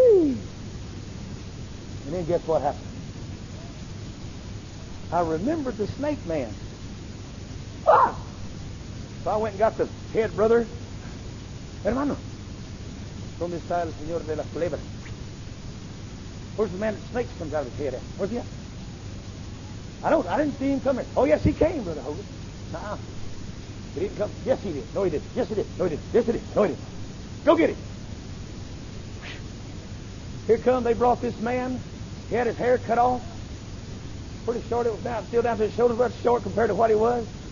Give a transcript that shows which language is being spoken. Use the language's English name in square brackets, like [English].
[English] Yeah. And then guess what happened? I remembered the snake man. Ah! So I went and got the head brother. [Spanish] Hermano, ¿dónde está el señor de las culebras? [English] Where's the man that snakes comes out of his head at? Where's he at? I didn't see him coming. Oh, yes, he came, Brother Hogan. Nah. He didn't come. Yes, he did. No, he didn't. Yes, he did. No, he didn't. Yes, he did. No, he didn't. Go get him. Here come, they brought this man. He had his hair cut off. Pretty short it was down, still down to his shoulders, but short compared to what he was.